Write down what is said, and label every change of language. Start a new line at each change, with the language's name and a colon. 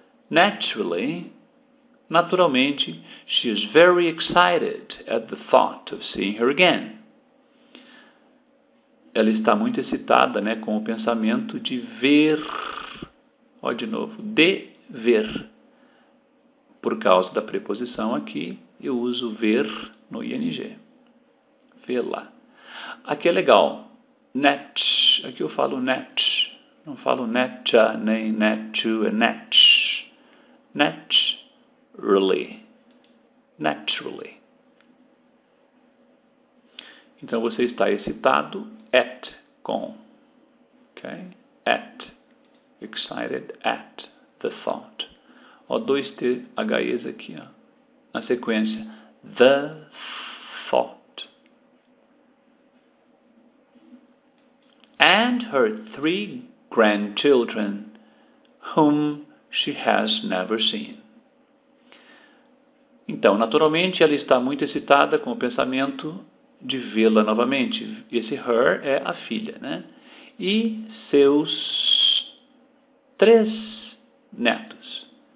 English: Naturally, naturalmente, she is very excited at the thought of seeing her again.
Portuguese: Ela está muito excitada, né, com o pensamento de ver, ó, de novo, de ver. Por causa da preposição aqui, eu uso ver no ing. Vê-la. Aqui é legal. Net. Aqui eu falo net. Não falo netcha, nem netchu, é net.
English: Naturally. Naturally.
Portuguese: Então você está excitado at com.
English: Ok? At. Excited at the thought.
Portuguese: Ó, dois THEs aqui, ó. Na sequência.
English: The thought. And her three grandchildren, whom she has never seen.
Portuguese: Então, naturalmente, ela está muito excitada com o pensamento de vê-la novamente. Esse her é a filha, né? E seus três netos.